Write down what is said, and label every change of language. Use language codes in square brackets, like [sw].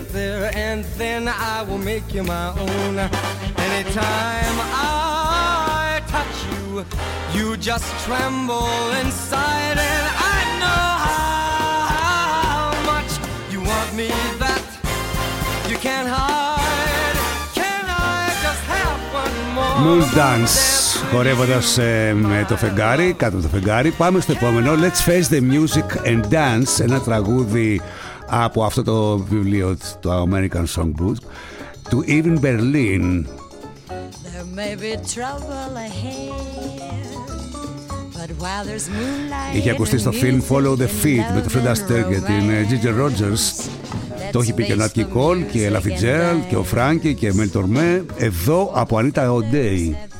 [en] There and then I will make you my own. Anytime I touch you, you just tremble inside. And I know how much you want me that you can't hide. Can I just have one more? [el] Moon Dance, χορεύοντας με το φεγγάρι, κάτω από το φεγγάρι. Πάμε στο επόμενο, Let's Face the Music and Dance, ένα τραγούδι από αυτό το βιβλίο του American Songbook του Irving Berlin. [en] There may be trouble ahead, but while there's moonlight. [el] Είχε ακουστεί στο film Follow the Feet με τον Fred Astaire και την Ginger Rogers. Το έχει πει και ο Νατ Κικόλ και η Έλα Φιτζέραλ και ο Φράγκη και η Μελ Τορμέ. Εδώ από Anita O'Day.